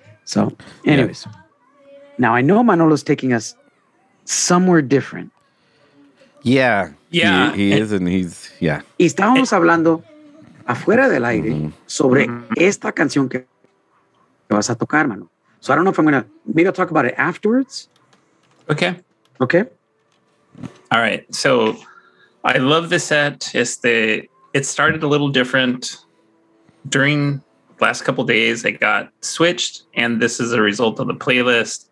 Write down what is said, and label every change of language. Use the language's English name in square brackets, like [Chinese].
[English] So, anyways, Now I know Manolo's taking us somewhere different. Yeah, yeah, he is, and he's yeah. [Spanish] Y estábamos hablando afuera del aire mm-hmm. sobre esta canción que vas a tocar, mano. [English] So I don't know if I'm gonna maybe I'll talk about it afterwards. Okay. All right. So I love the set. It started a little different during the last couple of days. It got switched, and this is a result of the playlist.